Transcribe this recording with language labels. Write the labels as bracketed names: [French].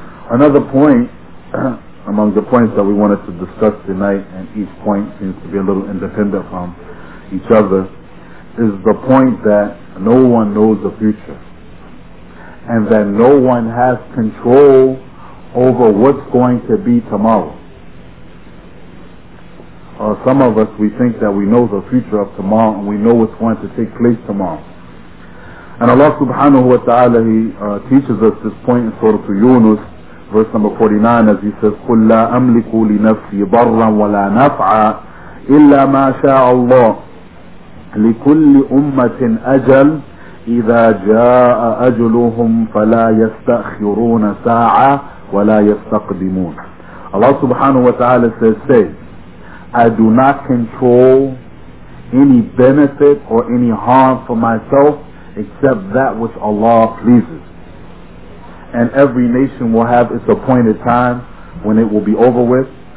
[English] Another point among the points that we wanted to discuss tonight, and each point seems to be a little independent from each other, is the point that no one knows the future and that no one has control over what's going to be tomorrow. Some of us, we think that we know the future of tomorrow and we know what's going to take place tomorrow. And Allah subhanahu wa ta'ala, He teaches us this point in Surah Yunus, verse number 49, as He says, [Arabic] قُلْ لَا أَمْلِكُ لِنَفْسِي بَرًّا وَلَا نَفْعًا إِلَّا مَا شَاءَ اللَّهِ لِكُلِّ أُمَّةٍ أَجَلٍ إِذَا جَاءَ أَجْلُهُمْ فَلَا يَسْتَأْخِرُونَ سَاعَةً وَلَا يَسْتَقْدِمُونَ. [English] Allah subhanahu wa ta'ala says, say, I do not control any benefit or any harm for myself except that which Allah pleases. And every nation will have its appointed time when it will be over with.